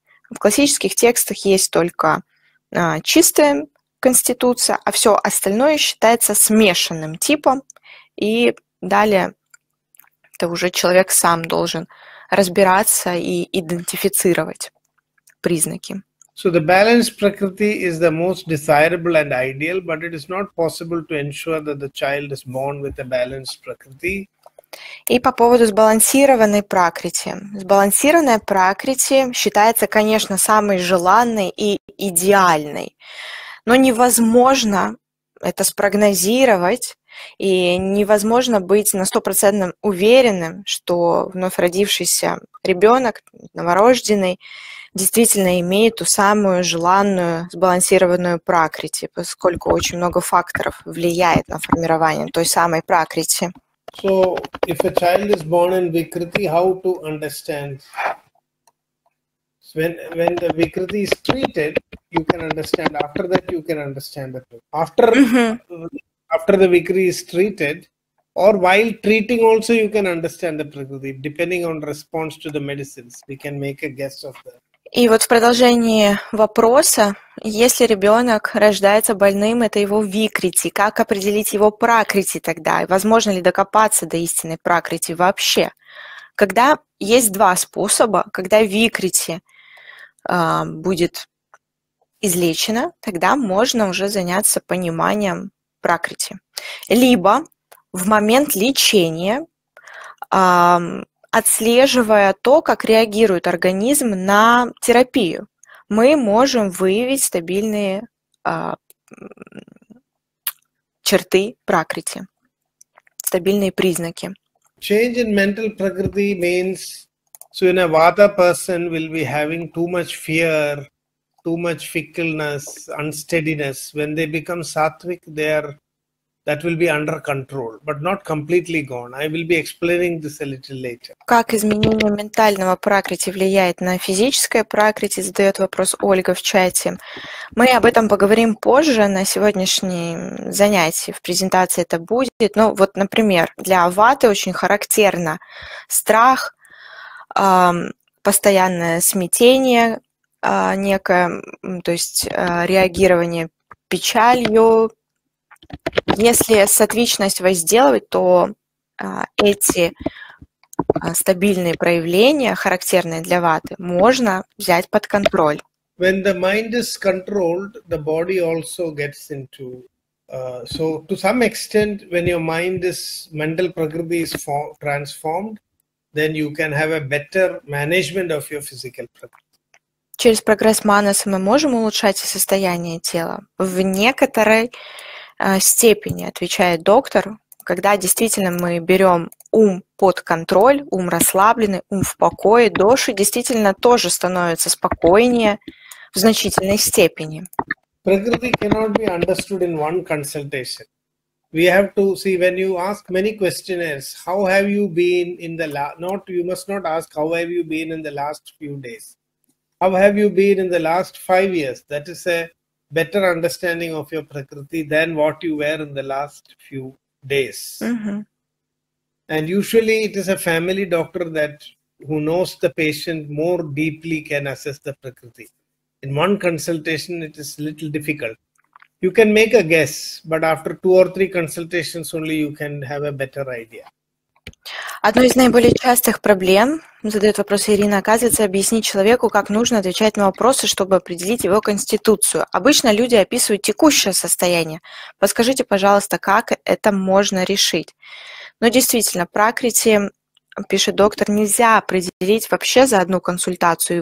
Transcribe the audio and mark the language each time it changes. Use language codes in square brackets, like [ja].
[ru] В классических текстах есть только чистая конституция, а все остальное считается смешанным типом. И далее это уже человек сам должен разбираться и идентифицировать признаки. [en] So the balanced prakriti is the most desirable and ideal, but it is not possible to ensure that the child is born with a balanced prakriti. [ru] И по поводу сбалансированной пракрити. Сбалансированная пракрити считается, конечно, самой желанной и идеальной, но невозможно это спрогнозировать. И невозможно быть на 100% уверенным, что вновь родившийся ребенок, новорожденный, действительно имеет ту самую желанную сбалансированную пракрити, поскольку очень много факторов влияет на формирование той самой пракрити. [en] So, if a child is born in Vikriti, how to understand? When the Vikriti is treated, you can understand. After that, you can understand it. After... Mm-hmm. After the vikriti is treated, or while treating also you can understand the prakriti, depending on response to the medicines, we can make a guess of that. [ru] И вот в продолжении вопроса, если ребенок рождается больным, это его викрити, как определить его пракрити тогда? Возможно ли докопаться до истинной пракрити вообще? Когда есть два способа, когда викрити будет излечено, тогда можно уже заняться пониманием пракрити. Либо в момент лечения, отслеживая то, как реагирует организм на терапию, мы можем выявить стабильные черты пракрити, стабильные признаки. [en] Change in mental prakriti means, so in a vata person will be having too much fear, too much fickleness, unsteadiness. When they become sattvic, they are that will be under control, but not completely gone. I will be explaining this a little later. [ru] Как изменение ментального пракрити влияет на физическое пракрити, задает вопрос Ольга в чате. Мы об этом поговорим позже на сегодняшнем занятии, в презентации это будет. Ну вот, например, для ваты очень характерно страх, постоянное смятение, некое, то есть реагирование печалью. Если сатвичность возделывать, то эти стабильные проявления, характерные для ваты, можно взять под контроль. [en] When the mind is controlled, the body also gets into... So, to some extent, when your mind is... mental prakriti is transformed, then you can have a better management of your physical prakriti. [ru] Через прогресс манаса мы можем улучшать состояние тела? В некоторой степени, отвечает доктор, когда действительно мы берем ум под контроль, ум расслабленный, ум в покое, доши действительно тоже становятся спокойнее в значительной степени. [en] Prakriti cannot be understood in one consultation. We have to see, when you ask many questionnaires, how have you been in the last... Not, you must not ask, how have you been in the last few days. How have you been in the last 5 years? That is a better understanding of your prakriti than what you were in the last few days. Mm-hmm. And usually it is a family doctor that who knows the patient more deeply can assess the prakriti. In one consultation, it is a little difficult. You can make a guess, but after two or three consultations only, you can have a better idea. [ru] Одной из наиболее частых проблем, задает вопрос Ирина, оказывается, объяснить человеку, как нужно отвечать на вопросы, чтобы определить его конституцию. Обычно люди описывают текущее состояние. Подскажите, пожалуйста, как это можно решить? Но действительно, пракрити, пишет доктор, нельзя определить вообще за одну консультацию.